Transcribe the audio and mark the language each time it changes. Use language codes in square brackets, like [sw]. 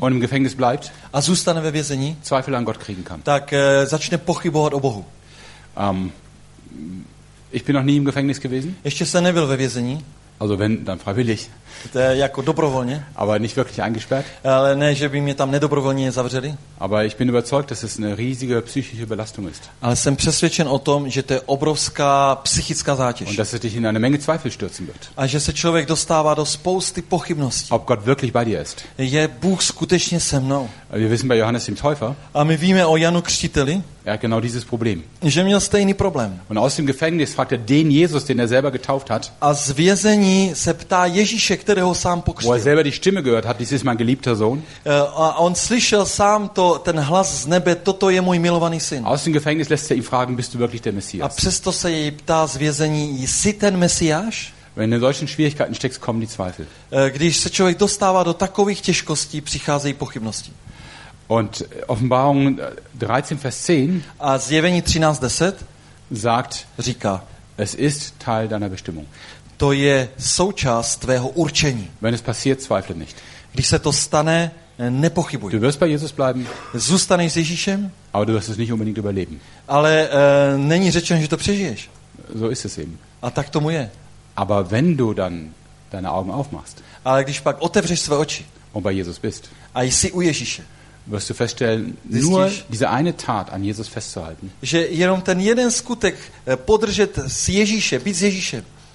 [de] und im Gefängnis bleibt, [cs] a zůstane ve vězení, [de] Zweifel an Gott kriegen kann. [cs] Tak začne pochybovat o Bohu. [de] Ich bin noch nie im Gefängnis gewesen. [cs] Ještě jsem nebyl ve vězení. [de] Also wenn, dann freiwillig. [cs] To je jako dobrovolně. [de] Aber nicht wirklich eingesperrt. [cs] Ale ne, že by mě tam nedobrovolně zavřeli. [de] Aber ich bin überzeugt, dass es eine riesige psychische Belastung ist. [cs] Ale jsem přesvědčen o tom, že to je obrovská psychická zátěž. [de] Und dass es dich in eine Menge Zweifel stürzen wird. [cs] A že se člověk dostává do spousty pochybností. [de] Ob Gott wirklich bei dir ist. [cs] Je Bůh skutečně se mnou. [de] Wir wissen bei Johannes dem Täufer. [cs] A my víme o Janu Křtiteli. [de] Er hat genau dieses Problem. [cs] Že měl stejný problém. [de] Und aus dem Gefängnis fragt er den Jesus, den er selber getauft hat. [cs] A z vězení se ptá Ježíše, kterého sám pokřtil. [de] Wo er selber die Stimme gehört hat, dies ist mein geliebter Sohn. [cs] A on slyšel sám to, ten hlas z nebe, toto je můj milovaný syn. [de] Aus dem Gefängnis lässt er ihn fragen, bist du wirklich der Messias? [cs] A přesto se jej ptá z vězení, jsi ten Mesiáš? [de] Wenn du in solchen Schwierigkeiten steckst, kommen die Zweifel. [cs] Když se člověk dostává do takových těžkostí, přicházejí pochybnosti. [de] Und Offenbarung 13 Vers 10. [cs] A Zjevení 13:10 [de] sagt, [cs] říká, [de] es ist Teil deiner Bestimmung. [cs] To je součást tvého určení. [de] Wenn es passiert, zweifle nicht. [cs] Když se to stane, nepochybuj. [de] Du wirst bei Jesus bleiben. [cs] Zůstaneš s Ježíšem. [de] Aber du wirst es nicht unbedingt überleben. [cs] Ale není řečeno, že to přežiješ. [de] So ist es eben. [cs] A tak tomu je. [de] Aber wenn du dann deine Augen aufmachst. [cs] Ale když pak otevřeš své oči. [de] Und bei Jesus bist. [cs] A jsi u Ježíše. [de] Wirst du feststellen, [cs] zjistíš, [de] nur diese eine Tat an Jesus festzuhalten. [cs] Že jenom ten jeden skutek podržet s Ježíšem, být s Ježíšem.